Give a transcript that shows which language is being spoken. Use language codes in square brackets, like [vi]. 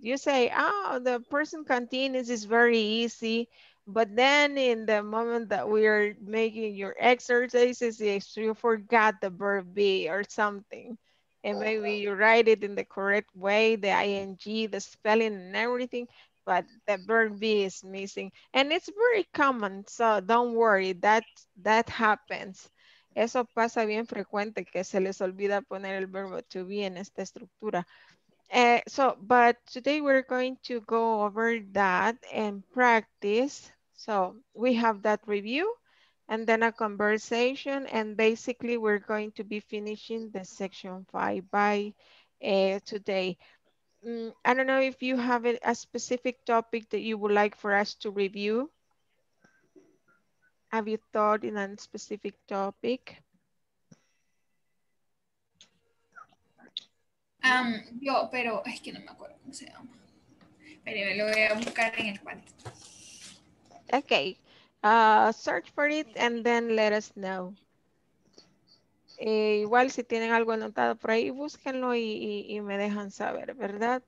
[en] You say, oh, the present continuous is very easy, but then in the moment that we are making your exercises, you forgot the verb be or something. And maybe you write it in the correct way, the ing, the spelling and everything, but the verb be is missing. And it's very common, so don't worry, that happens. [es] Eso pasa bien frecuente, que se les olvida poner el verbo to be en esta estructura. [en] But today we're going to go over that and practice. So we have that review and then a conversation, and basically we're going to be finishing the section 5 by today. I don't know if you have a specific topic that you would like for us to review. Have you thought in a specific topic? [es] Yo, pero es que no me acuerdo cómo se llama. Pero me lo voy a buscar en el cuadro. [en] Okay. Search for it and then let us know. [es] Igual si tienen algo anotado por ahí, búsquenlo y me dejan saber, ¿verdad?